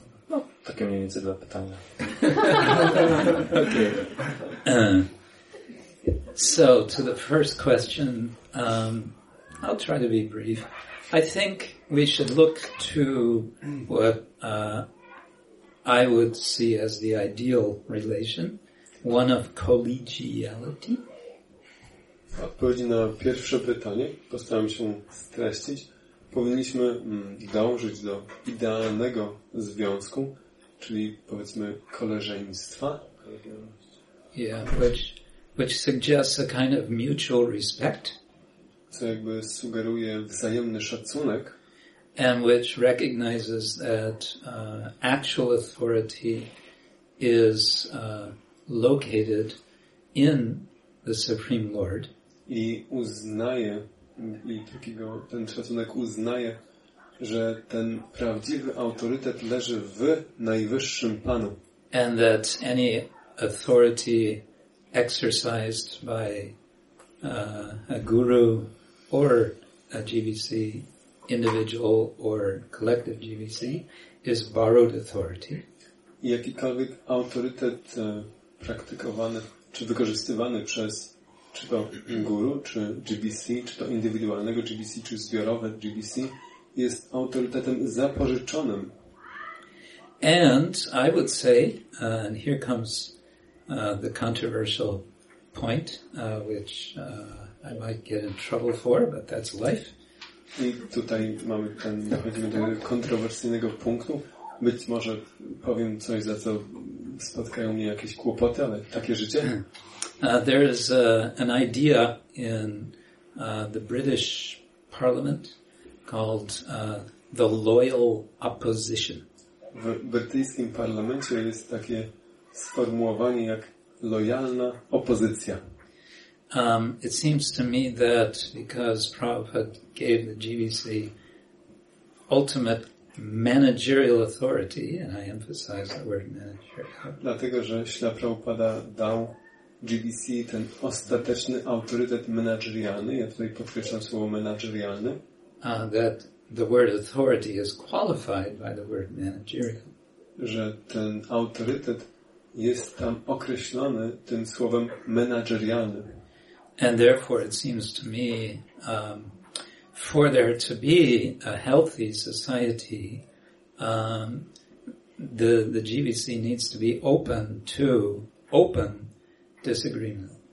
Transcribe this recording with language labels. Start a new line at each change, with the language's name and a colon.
Polish: No, takie mniej więcej dwa pytania.
English: Okay. So, to the first question, I'll try to be brief. I think we should look to what I would see as the ideal relation, one of collegiality.
Polish: Odpowiedzi na pierwsze pytanie, postaram się streścić. Powinniśmy dążyć do idealnego związku, czyli powiedzmy koleżeństwa.
English: Yeah, which suggests a kind of mutual respect.
Polish: Co jakby sugeruje wzajemny szacunek.
English: And which recognizes that actual authority is located in the Supreme Lord.
Polish: I uznaje, i takiego, ten szacunek uznaje, że ten prawdziwy autorytet leży w Najwyższym Panu.
English: And that any authority exercised by a guru or a GVC, individual or collective GVC, is borrowed authority.
Polish: I jakikolwiek autorytet praktykowany czy wykorzystywany przez czy to guru, czy GBC, czy to indywidualnego GBC, czy zbiorowe GBC, jest autorytetem zapożyczonym.
English: And I would say, and here comes the controversial point, which I might get in trouble for, but that's life.
Polish: I tutaj mamy ten, dochodzimy do kontrowersyjnego punktu. Być może powiem coś, za co spotkają mnie jakieś kłopoty, ale takie życie.
English: There is an idea in the British Parliament called the loyal opposition.
Polish: W brytyjskim parlamencie jest takie sformułowanie jak lojalna opozycja.
English: It seems to me that because Prabhupada gave the GVC ultimate managerial authority, and I emphasize the word managerial.
Polish: Dlatego, że Śla Prabhupada dał GBC ten ostateczny autorytet menedżerialny, ja tutaj podkreślam słowo menedżerialny,
English: that the word authority is qualified by the word managerial.
Polish: Że ten autorytet jest tam określony tym słowem menedżerialny.
English: And therefore it seems to me, for there to be a healthy society, the GBC needs to be open to disagreement.